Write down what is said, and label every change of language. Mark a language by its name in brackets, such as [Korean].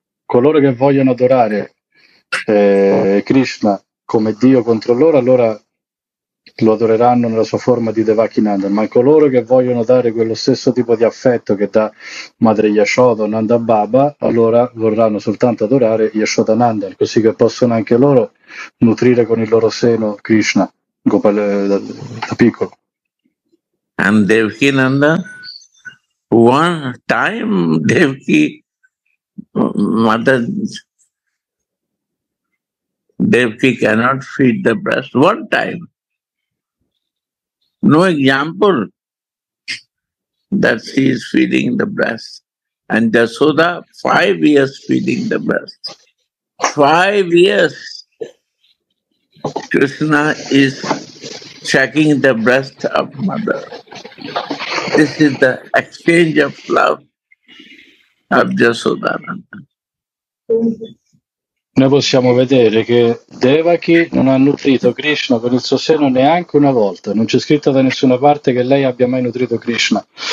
[Italian] Coloro che vogliono adorare Krishna come Dio contro loro, allora lo adoreranno nella sua forma di Devaki Nandan, ma coloro che vogliono dare quello stesso tipo di affetto che dà Madre Yashoda o Nanda Baba, allora vorranno soltanto adorare Yashoda Nandan, così che possono anche loro nutrire con il loro seno Krishna, Gopal da piccolo. [English] And Devaki Nandan? One time Devaki mother, Devaki cannot feed the breast. One time, no example that she is feeding the breast, and Yashoda 5 years feeding the breast. 5 years, Krishna is checking the breast of mother. This is the exchange of love of Yashoda Nandan. [Italian] Noi possiamo vedere che Devaki non ha nutrito Krishna con il suo seno neanche una volta. Non c'è scritto da nessuna parte che lei abbia mai nutrito Krishna.